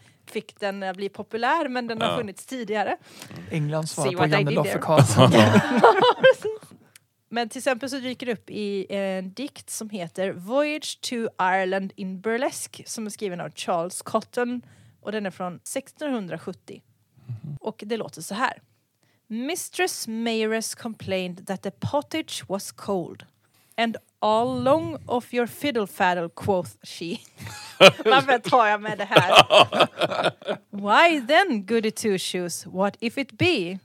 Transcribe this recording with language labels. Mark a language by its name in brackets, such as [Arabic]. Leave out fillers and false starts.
[Swedish] fick den bli populär, men den har funnits tidigare. England svarar på Janne Loffe-Karlsson. Men till exempel så dyker det upp i en dikt som heter Voyage to Ireland in Burlesque, som är skriven av Charles Cotton, och den är från 1670. Mm-hmm. Och det låter så här. [English] Mistress Mayress complained that the pottage was cold, and all long of your fiddle faddle, quoth she. [Swedish] Varför tar jag med det här? [English] Why then, goody two-shoes, what if it be?